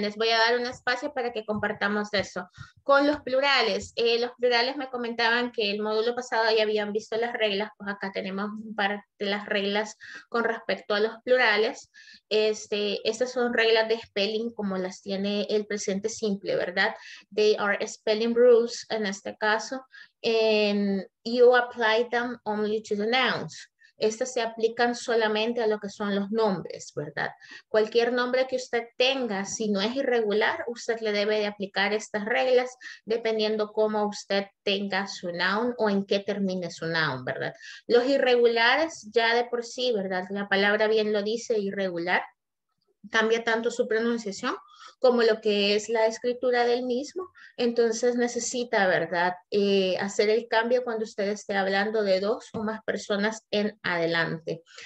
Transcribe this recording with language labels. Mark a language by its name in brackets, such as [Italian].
[Spanish] Les voy a dar un espacio para que compartamos eso. Con los plurales. Los plurales me comentaban que el módulo pasado ya habían visto las reglas. Pues acá tenemos un par de las reglas con respecto a los plurales. Estas son reglas de spelling como las tiene el presente simple, ¿verdad? [English] They are spelling rules [Spanish] en este caso. [English] And you apply them only to the nouns. [Spanish] Estas se aplican solamente a lo que son los nombres, ¿verdad? Cualquier nombre que usted tenga, si no es irregular, usted le debe de aplicar estas reglas dependiendo cómo usted tenga su noun o en qué termine su noun, ¿verdad? Los irregulares ya de por sí, ¿verdad? La palabra bien lo dice, irregular, cambia tanto su pronunciación como lo que es la escritura del mismo, entonces necesita, ¿verdad?, hacer el cambio cuando usted esté hablando de dos o más personas en adelante.